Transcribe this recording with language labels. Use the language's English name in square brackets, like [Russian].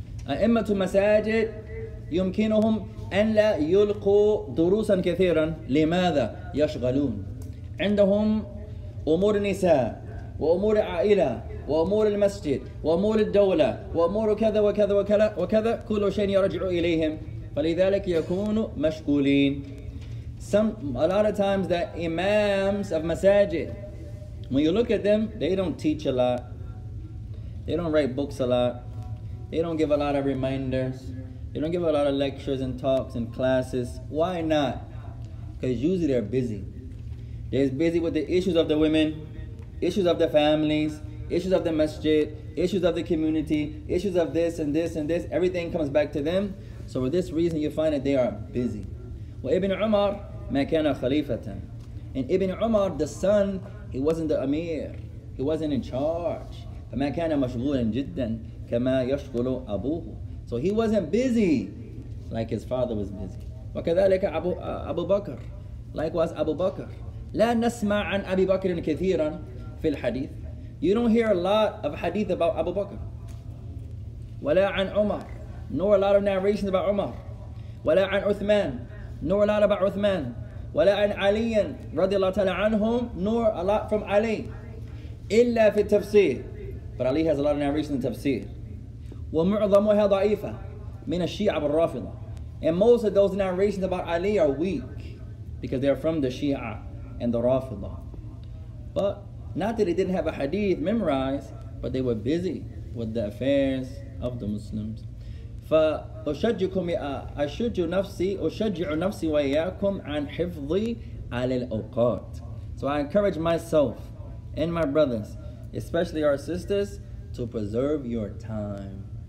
[Arabic] أئمة مساجد يمكنهم أن لا يلقوا دروسا كثيرا. لماذا يشغلون؟ عندهم أمور النساء وأمور عائلة وأمور المسجد وأمور الدولة وأمور كذا وكذا وكذا وكذا كل شيء يرجع إليهم. فلذلك يكونوا مشغولين. [English] A lot of times the imams of masajid, when you look at them, they don't teach a lot. They don't write books a lot. They don't give a lot of reminders. They don't give a lot of lectures and talks and classes. Why not? Because usually they're busy. They're busy with the issues of the women, issues of the families, issues of the masjid, issues of the community, issues of this and this and this. Everything comes back to them. So for this reason, you find that they are busy. Well, Ibn Umar, [Arabic] ما كان خليفة. [English] And Ibn Umar, the son, he wasn't the Amir. He wasn't in charge. [Arabic] فما كان مشغولا جدا كما يشغل أبوه. [English] So he wasn't busy like his father was busy. [Arabic] وكذلك أبو بكر. [English] Likewise [Arabic] أبو بكر. لا نسمع عن أبي بكر كثيرا في الحديث. [English] You don't hear a lot of hadith about Abu Bakr. [Arabic] ولا عن عمر. [English] Nor a lot of narrations about عمر. [Arabic] ولا عن عثمان. [English] Nor a lot about Uthman. [Arabic] ولا عن علي رضي الله تعالى عنهم. [English] Nor a lot from Ali. [Arabic] إلا في التفسير. [English] But Ali has a lot of narration in tafsir. [Arabic] ومعظمها ضعيفة من الشيعة والرافضة. [English] And most of those narrations about Ali are weak. Because they are from the Shia and the Rafida. But not that they didn't have a hadith memorized. But they were busy with the affairs of the Muslims. [Arabic] فأشجعكم أشجع نفسي أشجع نفسي وإياكم عن حفظي على الأوقات. [English] So I encourage myself and my brothers, especially our sisters, to preserve your time.